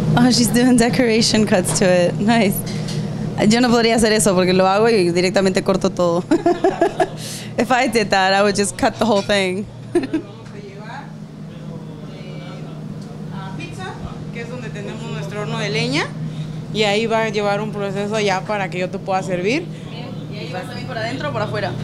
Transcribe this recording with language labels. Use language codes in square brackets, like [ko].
[en] She's doing decoration cuts to it. Nice. [es] Yo no podría hacer eso porque lo hago y directamente corto todo. [en] If I did that, I would just cut the whole thing. [es] Pizza, que es donde tenemos nuestro horno de leña, y ahí va a llevar un proceso ya para que yo te pueda servir. ¿Y ahí vas a ir para adentro o para afuera?